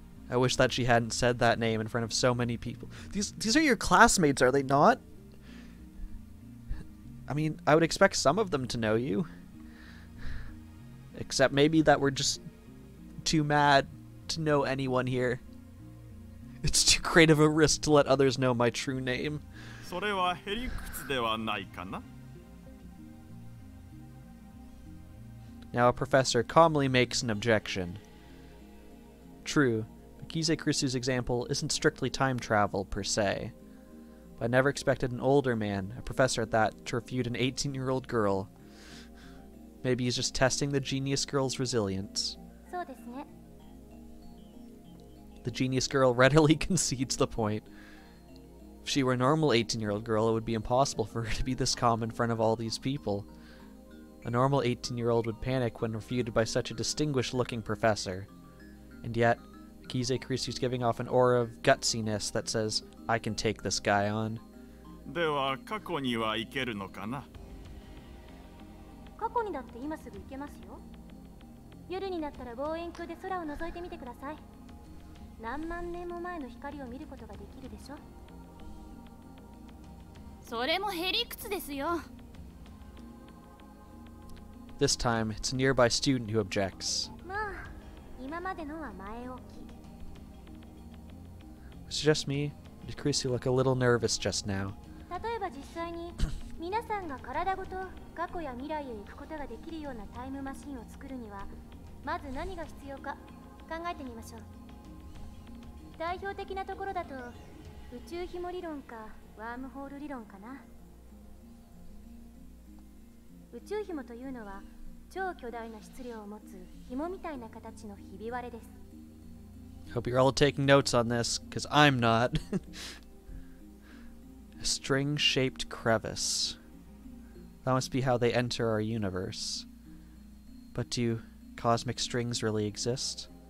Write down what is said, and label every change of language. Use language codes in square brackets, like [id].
[en] I wish that she hadn't said that name in front of so many people. These are your classmates, are they not? I mean, I would expect some of them to know you. Except maybe that we're just too mad to know anyone here. It's too great of a risk to let others know my true name. [ja] それはヘリクツではないかな? [en] Now a professor calmly makes an objection. True, Makise Kurisu's example isn't strictly time travel, per se. But I never expected an older man, a professor at that, to refute an 18-year-old girl. Maybe he's just testing the genius girl's resilience. The genius girl readily concedes the point. If she were a normal 18-year-old girl, it would be impossible for her to be this calm in front of all these people. A normal 18-year-old would panic when refuted by such a distinguished-looking professor. And yet, Makise Kurisu's giving off an aura of gutsiness that says, I can take this guy on. [ja] では、過去には行けるのかな? 過去にだって今すぐ行けますよ。夜になったら望遠鏡で空を覗いてみてください。何万年も前の光を見ることができるでしょ。それもへりくつですよ。 [en] This time, it's a nearby student who objects. [ja] まあ、今までのは前置き。 [en] It's just me. Did Chrissy look a little nervous just now? [ja] 例えば実際に、皆さんが体ごと過去や未来へ行くことができるようなタイムマシンを作るには、まず何が必要か考えてみましょう。代表的なところだと、宇宙紐理論かワームホール理論かな。宇宙紐というのは超巨大な質量を持つ紐みたいな形のひび割れです。 [en] Hope you're all taking notes on this, because I'm not. A string-shaped crevice. That must be how they enter our universe. But do cosmic strings really exist?